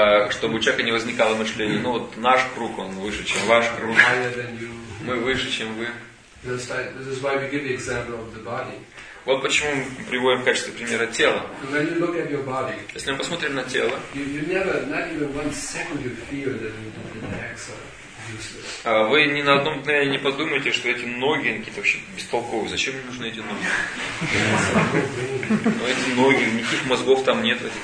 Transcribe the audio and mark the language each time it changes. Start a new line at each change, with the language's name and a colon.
Russian: Чтобы у человека не возникало мышление, ну вот наш круг, он выше, чем ваш круг. Мы выше, чем вы.
English: This is why we give the example of the body.
Russian: Вот почему мы приводим в качестве примера тело.
English: When you look at your body,
Russian: если мы посмотрим на тело,
English: you never, not even one second you feel that the legs are useless.
Russian: Вы ни на одном дне не подумаете, что эти ноги какие-то вообще бестолковые. Зачем мне нужны эти ноги? Ну эти ноги, никаких мозгов там нет.